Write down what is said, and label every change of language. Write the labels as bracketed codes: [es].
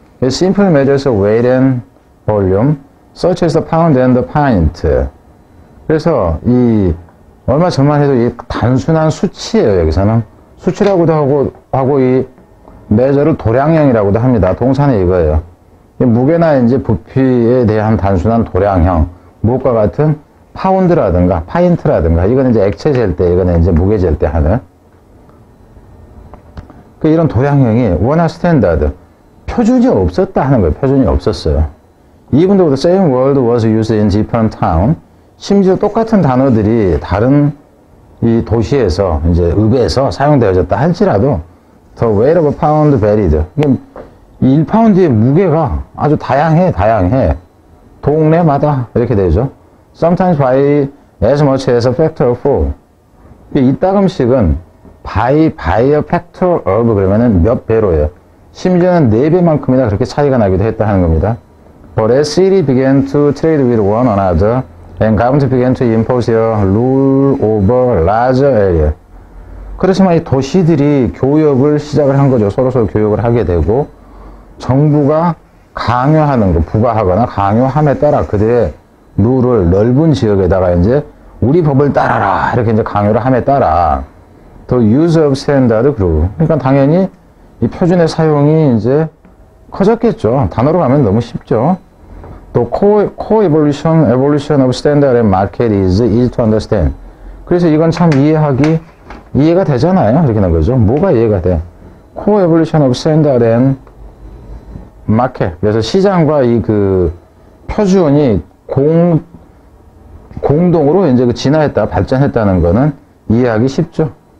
[en] Simple measures of weight and volume, such as the pound and the pint. [ko] 그래서 얼마 전만 해도 이 단순한 수치예요, 여기서는. 수치라고도 하고 이 measure를 도량형이라고도 합니다. 동사는 이거예요. 이 무게나 이제 부피에 대한 단순한 도량형, 무엇과 같은 파운드라든가 파인트라든가 이거는 이제 액체 잴때 이거는 이제 무게 잴때 하는 그 이런 도량형이 원화 스탠다드 표준이 없었다 하는 거예요. 표준이 없었어요. [en] Even though the same word was used in different town, [ko] 심지어 똑같은 단어들이 다른 이 도시에서 이제 읍에서 사용되어졌다 할지라도 [en] the weight of a pound varied. [ko] 이 1파운드의 무게가 아주 다양해. 동네마다 이렇게 되죠. [en] Sometimes by as much as a factor of four. [ko] 이따금씩은 [en] by a factor of [ko] 그러면은 몇 배로예요. 심지어는 네 배만큼이나 그렇게 차이가 나기도 했다 하는 겁니다. [en] But as city began to trade with one another, and government began to impose their rule over larger area. [ko] 그렇지만 이 도시들이 교역을 시작을 한 거죠. 서로서로 교역을 하게 되고, 정부가 강요하는 거, 부과하거나 강요함에 따라 그들의 룰을 넓은 지역에다가 이제 우리 법을 따라라 이렇게 이제 강요를 함에 따라 [en] the use of standard grew. [ko] 그러니까 당연히 이 표준의 사용이 이제 커졌겠죠. 단어로 가면 너무 쉽죠. [en] 또 evolution of standard and market is easy to understand. [ko] 그래서 이건 참 이해가 되잖아요. 이렇게 된 거죠. 뭐가 이해가 돼? [en] Co evolution of standard and market. [ko] 그래서 시장과 이그 표준이 공동으로 이제 그 진화했다, 발전했다는 거는 이해하기 쉽죠.